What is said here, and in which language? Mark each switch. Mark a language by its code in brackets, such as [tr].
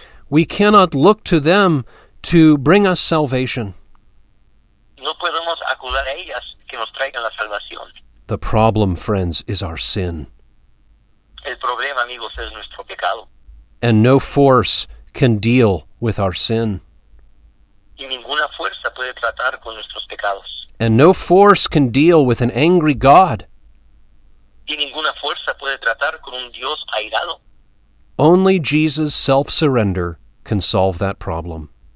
[en] We cannot look to them to bring us salvation. [es] No podemos acudir a ellas que nos traigan la salvación. [en] The problem, friends, is our sin. [es] El problema, amigos, es nuestro pecado. [en] And no force can deal with our sin. [es] Y ninguna fuerza puede tratar con nuestros pecados. [en] And no force can deal with an angry God. [es] Y ninguna fuerza puede tratar con un Dios airado. [en] Only Jesus' self-surrender can solve that problem.